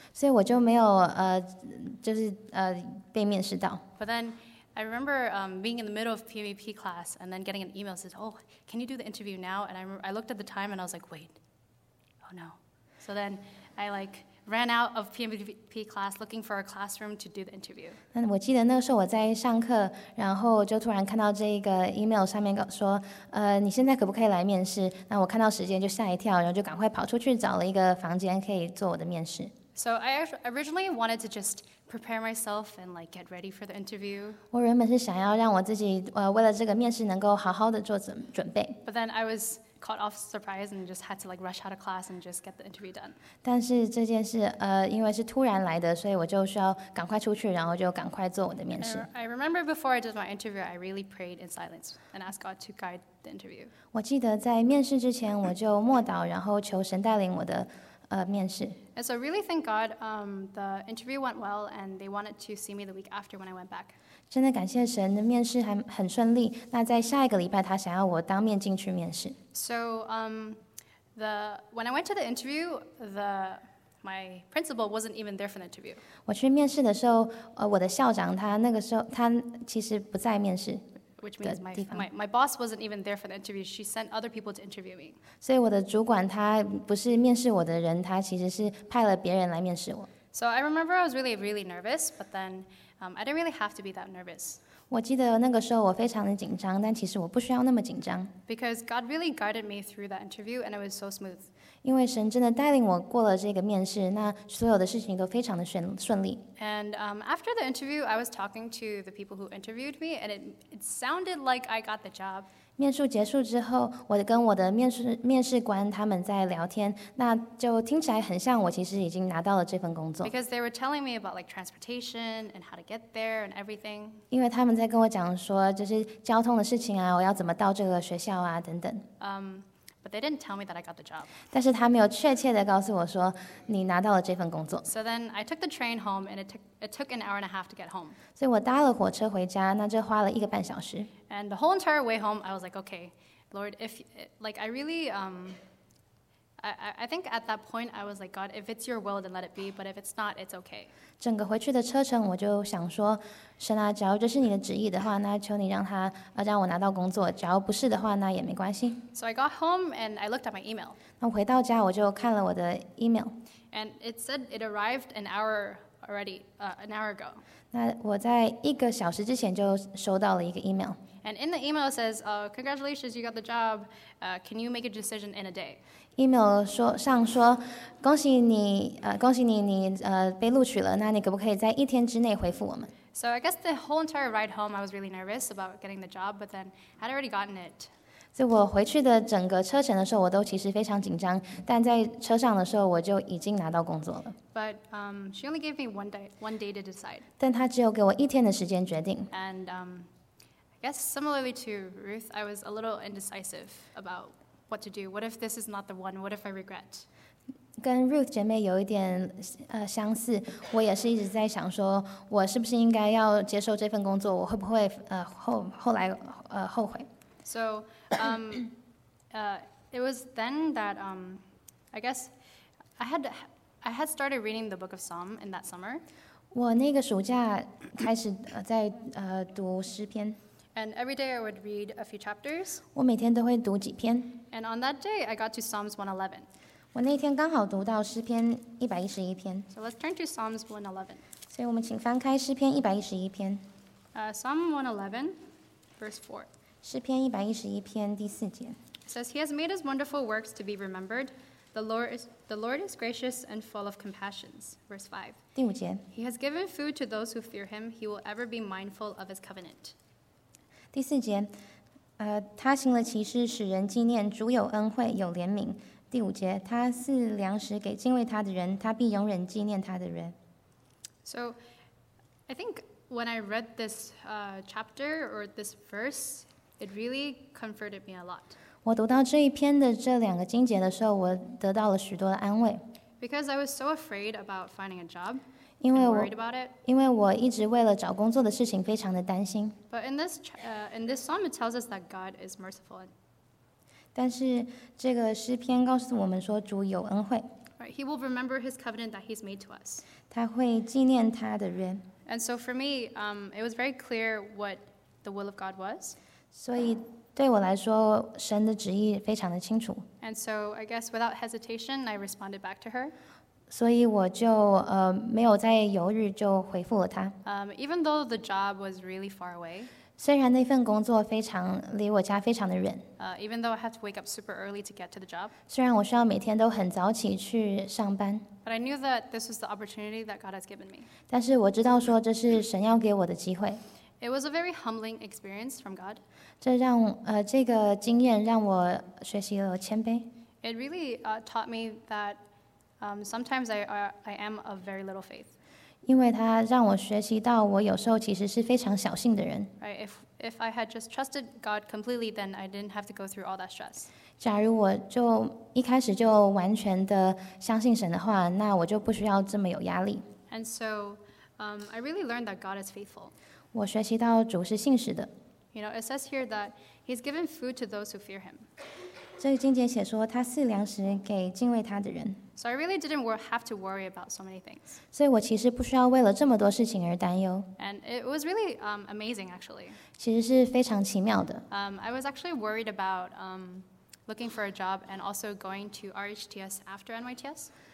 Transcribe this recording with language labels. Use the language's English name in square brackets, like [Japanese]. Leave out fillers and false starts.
[Chinese] 所以我就没有, 就是, 被面试到。 [English] But then I remember being in the middle of PAP class and then getting an email that said, oh, can you do the interview now? And I looked at the time and I was like, wait, oh no. So then I like ran out of PAP class looking for a classroom to do the interview. [Chinese] 我记得那个时候我在上课, 然后就突然看到这个 email 上面说, 你现在可不可以来面试? 那我看到时间就吓一跳, 然后就赶快跑出去找了一个房间可以做我的面试。 [English] So I originally wanted to just prepare myself and like get ready for the interview. [Chinese] 我原本是想要让我自己, 为了这个面试能够好好的做准备。 [English] But then I was caught off surprise and just had to like rush out of class and just get the interview done. [Chinese] 但是这件事, 因为是突然来的, 所以我就需要赶快出去, 然后就赶快做我的面试。 [English] I remember before I did my interview, I really prayed in silence and asked God to guide the interview. [Chinese] 我记得在面试之前, 我就默祷, 然后求神带领我的, 面试。 [English] And so really thank God the interview went well and they wanted to see me the week after when I went back. [Chinese] 真的感谢神的面试还很顺利, 那在下一个礼拜他想要我当面进去面试。 [English] So when I went to the interview, my principal wasn't even there for the interview. [Chinese] 我去面试的时候, 我的校长他那个时候, 他其实不在面试。 [English] Which means my boss wasn't even there for the interview. She sent other people to interview me. [Chinese] 所以我的主管他不是面试我的人, 他其实是派了别人来面试我。 [English] So I remember I was really, really nervous, but then I didn't really have to be that nervous. [Chinese] 我记得那个时候我非常的紧张, 但其实我不需要那么紧张。 [English] Because God really guided me through that interview, and it was so smooth. [Chinese] 因为神真的带领我过了这个面试, 那所有的事情都非常的顺利。 [English] And after the interview, I was talking to the people who interviewed me, and it sounded like I got the job. [Chinese] 面试结束之后, 我跟我的面试官他们在聊天, 那就听起来很像我其实已经拿到了这份工作。 [English] Because they were telling me about like transportation and how to get there and everything. [Chinese] 因为他们在跟我讲说, 就是交通的事情啊, 我要怎么到这个学校啊, 等等。 [English] But they didn't tell me that I got the job. [Chinese] 但是他没有确切地告诉我说, 你拿到了这份工作。 [English] So then I took the train home, and it took an hour and a half to get home. [Chinese] 所以我搭了火车回家, 那就花了一个半小时。 [English] And the whole entire way home, I was like, okay, Lord, if, like, I really, I think at that point, I was like, God, if it's your will, then let it be, but if it's not, it's okay. [Chinese] 整个回去的车程, 我就想说, 神啊, 只要这是你的旨意的话, 那求你让他, 让我拿到工作, 只要不是的话, 那也没关系。 [English] So I got home, and I looked at my email. [Chinese] 那回到家, 我就看了我的email. [English] And it said it arrived an hour already, an hour ago. [Chinese] 那我在一个小时之前就收到了一个email。 [English] And in the email says, congratulations, you got the job. Can you make a decision in a day? [Chinese] Email 上说, 恭喜你, 恭喜你, 你, 被录取了, 那你可不可以在一天之内回复我们? [English] So I guess the whole entire ride home, I was really nervous about getting the job, but then I'd already gotten it. [Chinese] 所以我回去的整个车程的时候, 我都其实非常紧张, 但在车上的时候, 我就已经拿到工作了。 [English] But she only gave me one day to decide. [Chinese] 但她只有给我一天的时间决定。 [English] And I guess similarly to Ruth, I was a little indecisive about what to do. What if this is not the one? What if I regret? [Chinese] 跟 Ruth 姐妹有一点, 相似, 我也是一直在想说, 我是不是应该要接受这份工作, 我会不会, 后来, 后悔? [English] So it was then that I guess I had started reading the Book of Psalm in that summer. [Chinese] 我那个暑假开始在, 读诗篇。 [English] And every day I would read a few chapters. [Chinese] 我每天都会读几篇。 [English] And on that day, I got to Psalms 111. [Chinese] 我那天刚好读到诗篇111篇。 [English] So let's turn to Psalms 111. [Chinese] 所以我们请翻开诗篇111篇。 [English] Psalm 111, verse 4. [Chinese] 诗篇111篇第四节。 [English] It says, He has made His wonderful works to be remembered. The Lord is gracious and full of compassions. Verse 5. [Chinese] 第五节。 [English] He has given food to those who fear Him. He will ever be mindful of His covenant. [Chinese] 第四节, 他行了奇事使人纪念主有恩惠有怜悯。第五节, 他赐粮食给敬畏他的人, 他必永远纪念他的人。 [English] So I think when I read this chapter or this verse, it really comforted me a lot. [Chinese] 我读到这一篇的这两个经节的时候, 我得到了许多的安慰。 [English] Because I was so afraid about finding a job. [Chinese] 因为我一直为了找工作的事情非常的担心。 [English] But in this psalm, it tells us that God is merciful. [Chinese] 但是这个诗篇告诉我们说主有恩惠。 [English] Right, he will remember his covenant that he's made to us. [Chinese] 他会纪念他的约。 [English] And so for me, it was very clear what the will of God was. [Chinese] 所以对我来说，神的旨意非常的清楚。 [English] And so I guess without hesitation, I responded back to her. [Chinese] 所以我就没有再犹豫，就回复了他。 [English] Even though the job was really far away. [Chinese] 虽然那份工作非常离我家非常的远。 [English] Even though I had to wake up super early to get to the job. [Chinese] 虽然我需要每天都很早起去上班。 [English] But I knew that this was the opportunity that God has given me. [Chinese] 但是我知道说这是神要给我的机会。 [English] It was a very humbling experience from God. [Chinese] 这个经验让我学习了谦卑。 [English] It really taught me that sometimes I am of very little faith. [Chinese] 因为它让我学习到我有时候其实是非常小信的人。 [English] Right, if I had just trusted God completely, then I didn't have to go through all that stress. [Chinese] 假如我就一开始就完全的相信神的话，那我就不需要这么有压力。 [English] And so I really learned that God is faithful. [Chinese] 我学习到主是信实的。 [English] You know, it says here that he's given food to those who fear him. [Chinese] 这个经节写说他赐粮食给敬畏他的人。 [English] So I really didn't have to worry about so many things. [Chinese] 所以我其实不需要为了这么多事情而担忧。 [English] And it was really amazing, actually. [Chinese] 其实是非常奇妙的。 [English] I was actually worried about looking for a job and also going to RHTS after NYTS.